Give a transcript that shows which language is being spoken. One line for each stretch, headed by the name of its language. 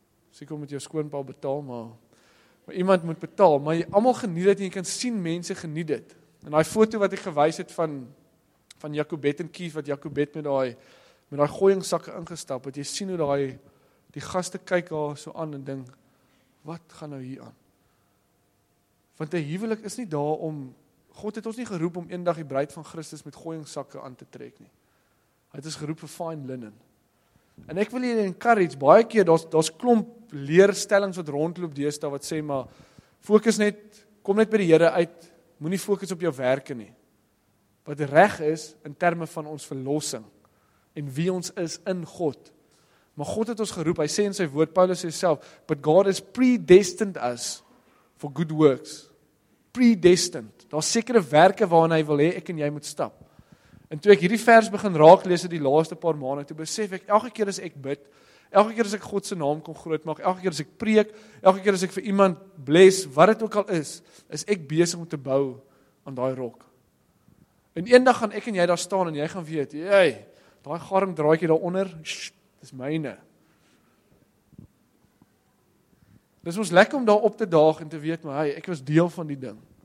Afrikaans: Seker om met jou skoonpa betaal, maar iemand moet betaal, maar jy allemaal geniet dit, en jy kan sien, mense geniet dit. En die foto wat ek gewys het van Jacobet en Keith, wat Jacobet met die gooiingsakke ingestap het, jy sien hoe die gaste kyk daar so aan en ding, wat gaan nou hier aan? Want die huwelik is nie daar om, God het ons nie geroep om een dag die bruid van Christus met gooiingsakke aan te trek nie. Hy het ons geroep vir fine linen. En ek wil hier encourage, baie keer, daar's klomp leerstellings wat rondloop deesdae wat sê, maar fokus net, kom net by die Here uit, moenie fokus op jou werke nie. Wat reg is in terme van ons verlossing en wie ons is in God. Maar God het ons geroep, hy sê in sy woord, Paulus sê self,
English: but God has predestined us for good works.
Afrikaans: Predestined. Daar is sekere werke waarin hy wil hê, ek en jy moet stap. En toe ek hierdie vers begin raak lees die laaste paar maande, toe besef ek, elke keer as ek bid, elke keer as ek God se naam kon groot maak, elke keer as ek preek, elke keer as ek vir iemand bless, wat het ook al is, is ek besig om te bou aan daai rok. En eendag gaan ek en jy daar staan en jy gaan weet, jy, daai garing draaitjie daaronder, dis myne. Dis ons lekker om daar op te daag en te weet, maar hey, ek was deel van die ding.